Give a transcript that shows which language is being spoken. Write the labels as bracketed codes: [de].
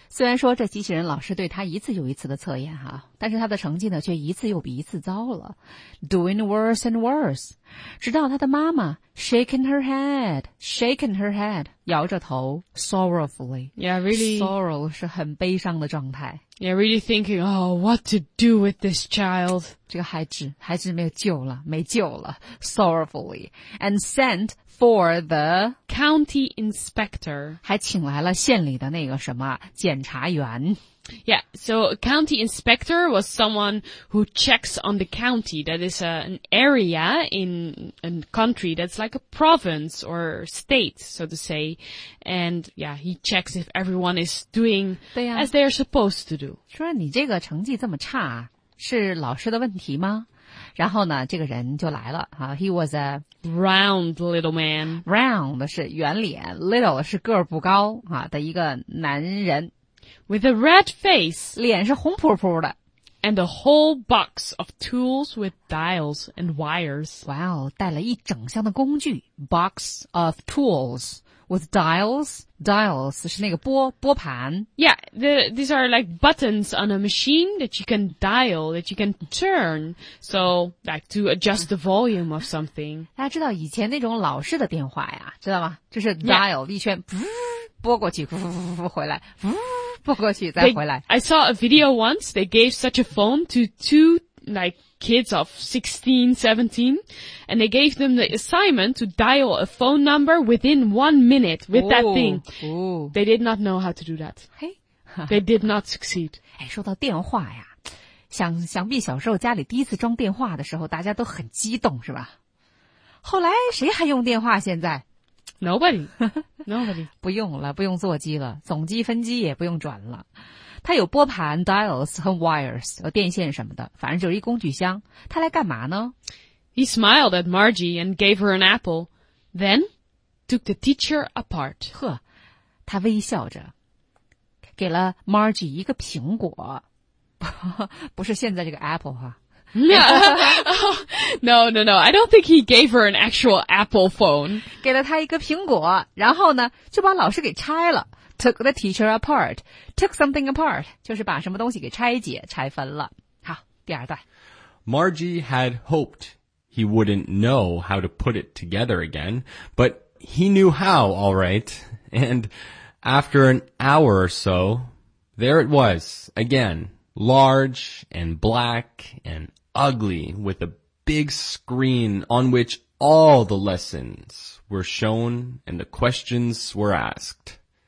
[zh] 虽然说这机器人老师对他一次又一次的测验哈，但是他的成绩呢却一次又比一次糟了。 [en] Doing worse and worse. [zh] 直到他的妈妈 [en] shaking her head, [zh] 摇着头 [en] sorrowfully. Yeah, really. [zh] Sorrow 是很悲伤的状态。 [en] Yeah, really thinking, oh, what to do with this child? [zh] 这个孩子没有救了，没救了 ,sorrowfully. [en] And sent for the county inspector. [zh] 还请来了县里的那个什么检察员。 [en] Yeah, so a county inspector was someone who checks on the county, that is an area in a country that's like a province or state, so to say, and yeah, he checks if everyone is doing as they are supposed to do. [zh] 说你这个成绩这么差，是老师的问题吗？然后呢，这个人就来了啊。 [en] He was a round little man. [zh] Round 是圆脸 ，little 是个儿不高啊的一个男人。 [en] With a red face, [zh] 脸是红扑扑的 [en] and a whole box of tools with dials and wires. [zh] Wow, 带了一整箱的工具 [en] box of tools with dials [zh] 是那个拨盘 [en] Yeah, these are like buttons on a machine that you can dial, that you can turn, so like to adjust the volume of something. [zh] 大家知道以前那种老式的电话呀，知道吗？就是 dial 一圈，拨过去，回来，不过去再回来。 [en] I saw a video once, they gave such a phone to two, like, kids of 16, 17, and they gave them the assignment to dial a phone number within 1 minute with that thing. They did not know how to do that. They did not succeed. [zh] 哎，说到电话呀，想必小时候家里第一次装电话的时候，大家都很激动，是吧？后来谁还用电话现在？ [en] Nobody. [zh] 不用了，不用座机了，总机分机也不用转了。它有拨盘 ,dials 和 wires, 和电线什么的，反正就是一工具箱。它来干嘛呢？ [en] He smiled at Margie and gave her an apple, then took the teacher apart. [zh] 呵，他微笑着，给了 Margie 一个苹果。不是现在这个 apple 哈。 [en] No, I don't think he gave her an actual Apple phone. [zh] 给了他一个苹果，然后呢，就把老师给拆了。 [en] Took the teacher apart. Took something apart. [zh] 就是把什么东西给拆解，拆分了。好，第二段。 [en] Margie had hoped he wouldn't know how to put it together again, but he knew how, all right. And After an hour or so, there it was, again, large and black and ugly with a big screen on which all the lessons were shown and the questions were asked.